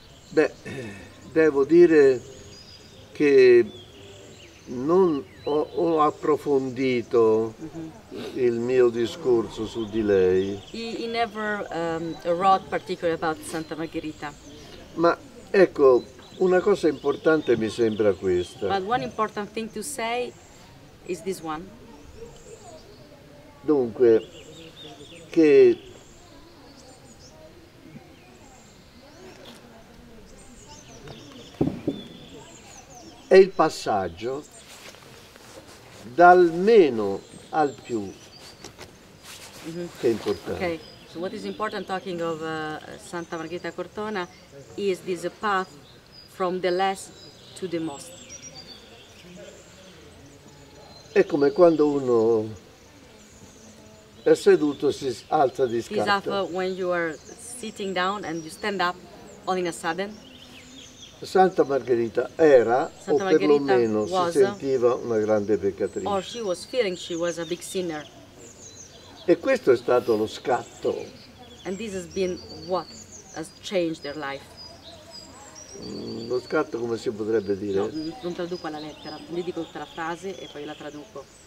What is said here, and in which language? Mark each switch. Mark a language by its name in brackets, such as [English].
[Italian] Beh, devo dire che non ho approfondito il mio discorso su di lei. [English] He never wrote particularly about Santa Margherita. [Italian] Ma ecco, una cosa importante mi sembra questa. [English] But one important thing to say is this one. [Italian] Dunque, che è il passaggio dal meno al più, che è importante. [English] Okay. So what is important talking of Santa Margherita Cortona is this path from the less to the most. [Italian] È come quando uno è seduto si alza di scatto. [English] It's after when you are sitting down and you stand up all in a sudden. [Italian] Santa Margherita era Santa o perlomeno si sentiva una grande peccatrice. [English] Or she was feeling she was a big sinner. [Italian] E questo è stato lo scatto. [English] And this has been what has changed their life. [Italian] Lo scatto, come si potrebbe dire? No, non traduco la lettera, le dico tutta la frase e poi la traduco.